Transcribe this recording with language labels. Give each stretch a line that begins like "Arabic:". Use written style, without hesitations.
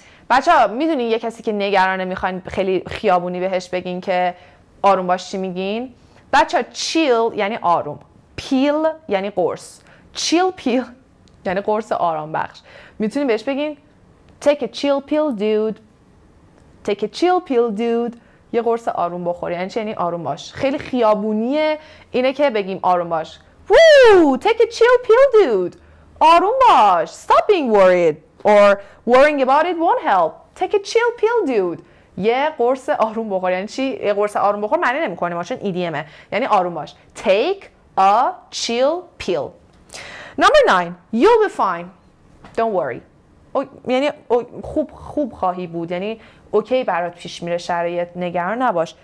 Persian: بچه ها میدونین یه کسی که نگرانه میخواین خیلی خیابونی بهش بگین که آروم باش چی میگین؟ بچه ها chill یعنی آروم، peel یعنی قرص، chill peel یعنی قرص آرام بخش. میتونین بهش بگین
English: take a chill pill dude،
Persian: take a chill pill dude، یه قرص آروم بخوری. یعنی چه؟ یعنی آروم باش. خیلی خیابونیه اینه که بگیم آروم باش.
English: Woo, take a chill pill dude.
Persian: آروم باش.
English: Stop being worried or worrying about it won't help. Take a chill pill dude.
Persian: یه قرص آروم بخوری. یعنی چی؟ یه قرص آروم بخور معنی نمی‌کنه، ماشون ایدیمه. یعنی آروم باش.
English: Take a chill pill. Number 9. You'll be fine. Don't worry.
Persian: یعنی خوب خوب خواهی بود، یعنی اوکی برات پیش میره شرایط، نگران نباش.